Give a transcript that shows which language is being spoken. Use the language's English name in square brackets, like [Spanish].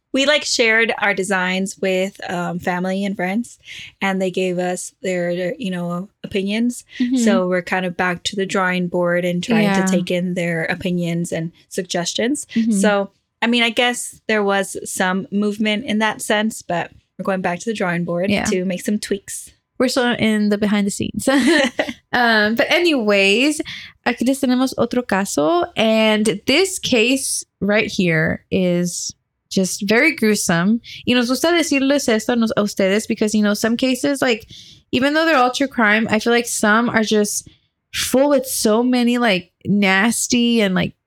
[English] We, like, shared our designs with family and friends, and they gave us their, you know, opinions. Mm-hmm. So we're kind of back to the drawing board and trying to take in their opinions and suggestions. Mm-hmm. So, I mean, I guess there was some movement in that sense, but we're going back to the drawing board to make some tweaks. We're still in the behind the scenes. but anyways, [Spanish] aquí les tenemos otro caso. [English] And this case right here is just very gruesome. [Spanish] Y nos gusta decirles esto a ustedes [English] because, you know, some cases, like, even though they're all true crime, I feel like some are just full with so many, like, nasty and, like,